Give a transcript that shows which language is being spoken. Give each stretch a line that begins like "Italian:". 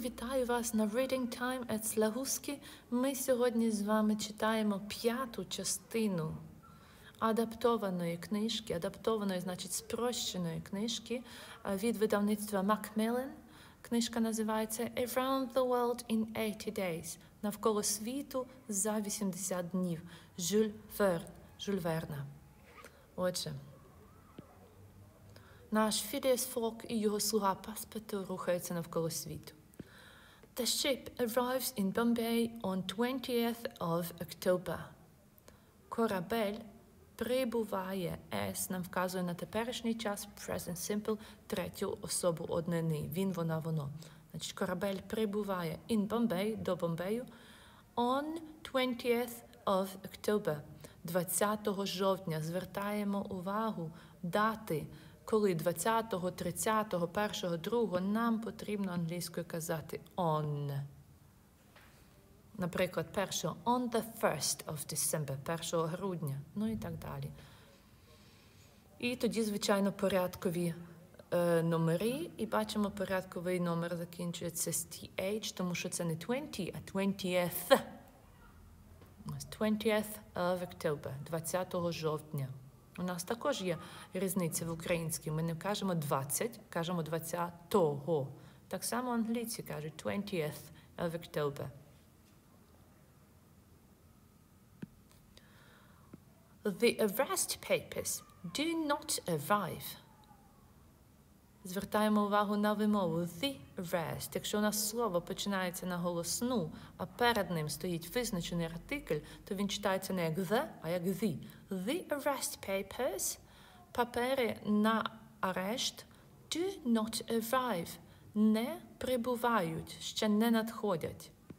Ukrainian: Вітаю вас на Reading Time at Slahuski. Ми сьогодні з вами читаємо п'яту частину адаптованої книжки, адаптованої, значить, спрощеної книжки від видавництва Macmillan. Книжка називається Around the World in 80 Days. Навколо світу за 80 днів. Жюль Верна. Отже, наш Фідеас Фок і його слуга Паспето рухаються навколо світу.
English: The ship arrives in Bombay on 20th of October.
Ukrainian: Корабель прибуває, S нам вказує на теперішній час, present simple, третю особу однини, він, вона, воно. Значить, корабель прибуває in Bombay, до Бомбею,
English: on 20th of October.
Ukrainian: 20 жовтня, звертаємо увагу, дати, коли 20-го, 30-го, 1-го, 2-го нам потрібно англійською казати on. Наприклад, 1-го,
English: on the 1st of December,
Ukrainian: 1-го грудня, ну і так далі. І тоді, звичайно, порядкові номери, і бачимо, порядковий номер закінчується з TH, тому що це не 20, а 20th. 20th of October, 20 жовтня. У нас також є різниця в українській. Ми не кажемо 20, кажемо 20-го. Так само англійці кажуть 20th of October.
English: The arrest papers do not arrive.
Ukrainian: Звертаємо увагу на вимову the arrest. Якщо у нас слово починається на голосну, а перед ним стоїть визначений артикль, то він читається не як the, а як the. The arrest papers, папери на арешт,
English: do not arrive,
Ukrainian: не прибувають, ще не надходять.